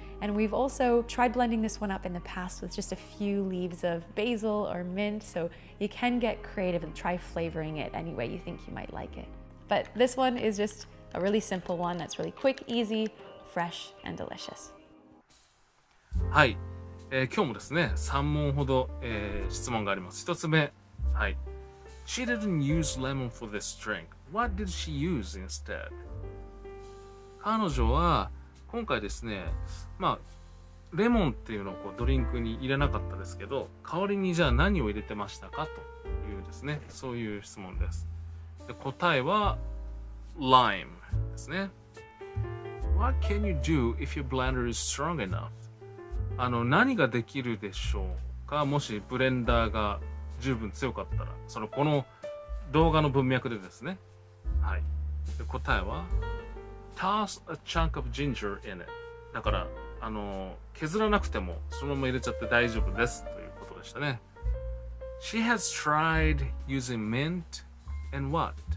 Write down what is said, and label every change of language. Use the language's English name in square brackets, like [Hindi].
[English] And we've also tried blending this one up in the past with just a few leaves of basil or mint, so you can get creative and try flavoring it any way you think you might like it. But this one is just a really simple one that's really quick, easy, fresh, and delicious. [Japanese] はい、今日もですね、3問ほど、質問があります。 1つ目、はい。 [English] She didn't use lemon for this drink. What did she use instead? [Japanese] 彼女は今回ですね、まあ、レモンっていうのをこうドリンクに入れなかったですけど、代わりにじゃあ何を入れてましたかというですね、そういう質問です。で答えはライムですね。 [English] What can you do if your blender is strong enough? [Japanese] 何ができるでしょうか、もしブレンダーが十分強かったら、そのこの動画の文脈でですね、はい、で答えは [English] toss a chunk of ginger in it. [Japanese] だから削らなくてもそのまま入れちゃって大丈夫ですということでしたね。 [English] She has tried using mint and what?